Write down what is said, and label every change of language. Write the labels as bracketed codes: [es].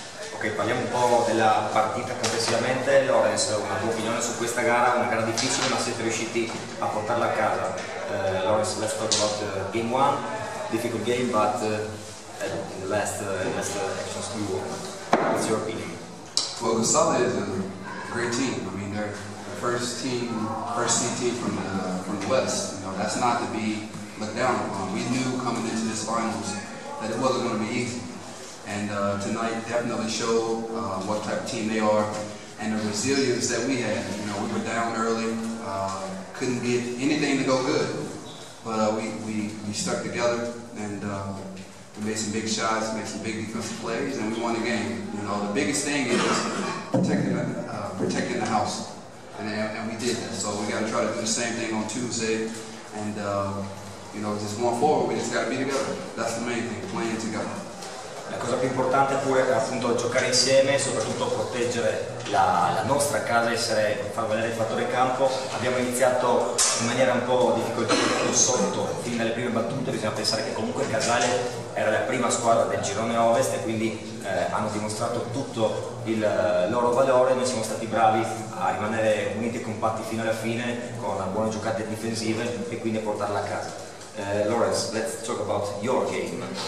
[it] perché parliamo un po' della partita complessivamente. Lorenz, una tua opinione su questa gara, una gara difficile, ma siete riusciti a portarla a casa. [en] Lorenz, let's talk about game one, difficult game, but the last action school. What's your opinion? Well, Gustavo is a great team. I mean, they're the first team from the West. You know, that's not to be looked down upon. We knew coming into this finals that it wasn't going to be easy. And tonight definitely showed what type of team they are and the resilience that we had. You know, we were down early, couldn't get anything to go good. But we stuck together and we made some big shots, made some big defensive plays, and we won the game. You know, the biggest thing is protecting the house. And we did that. So we got to try to do the same thing on Tuesday. And, you know, just going forward, we just got to be together. That's the main thing, playing together. [it] La cosa più importante pure è appunto giocare insieme e soprattutto proteggere la nostra casa, essere, far valere il fattore campo. Abbiamo iniziato in maniera un po' difficoltosa sotto, fin dalle prime battute. Bisogna pensare che comunque il Casale era la prima squadra del girone ovest e quindi hanno dimostrato tutto il loro valore. Noi siamo stati bravi a rimanere uniti e compatti fino alla fine con buone giocate difensive e quindi a portarla a casa. [en] Lorenz, let's talk about your game.